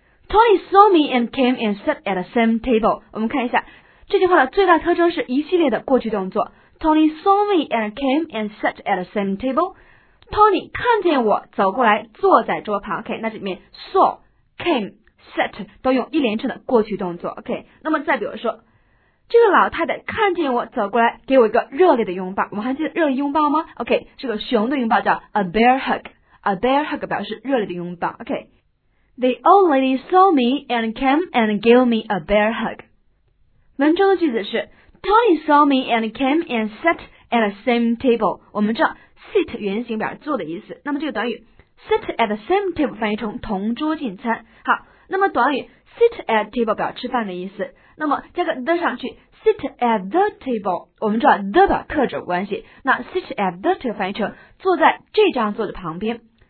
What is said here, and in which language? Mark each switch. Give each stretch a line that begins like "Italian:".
English: Tony saw me and came and sat at the same table.
Chinese: 我们看一下这句话的最大特征是一系列的过去动作。
English: Tony saw me and came and sat at the same table.
Chinese: Tony 看见我走过来坐在桌旁。OK, 那里面 saw, came, sat 都用一连串的过去动作。 OK, 那么再比如说这个老太太看见我走过来给我一个热烈的拥抱。我们还记得热烈拥抱吗？ OK, 这个熊的拥抱叫 a bear hug.
English: A bear hug
Chinese: 表示热烈的拥抱。
English: OK, the old lady saw me and came and gave me a bear hug.
Chinese: 文中的句子是
English: Tony saw me and came and sat at the same table.
Chinese: 我们知道 sit 原形表示坐的意思。那么这个短语
English: sit at the same table
Chinese: 翻译成同桌进餐。好，那么短语
English: sit at table
Chinese: 表吃饭的意思。那么加个 the 上去
English: sit at the table，
Chinese: 我们知道 the 表特指关系。那
English: sit at the table
Chinese: 翻译成坐在这张桌子旁边。